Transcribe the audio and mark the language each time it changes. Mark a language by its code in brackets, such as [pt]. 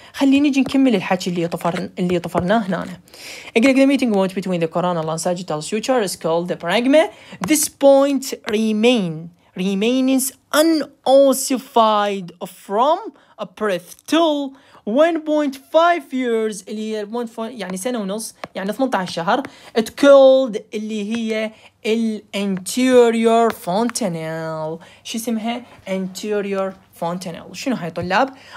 [ar] خليني نجي نكمل الحكي اللي طفرناه هنا. يقول لك [en] the meeting point between the coronal and sagittal suture is called the parenchyma. This point remains unossified from a birth till 1.5 years [ar] اللي هي 1.5 يعني سنة ونص يعني 18 شهر [en] it called [ar] اللي هي ال anterior fontanel شو اسمها anterior fontanel شنو هاي طلاب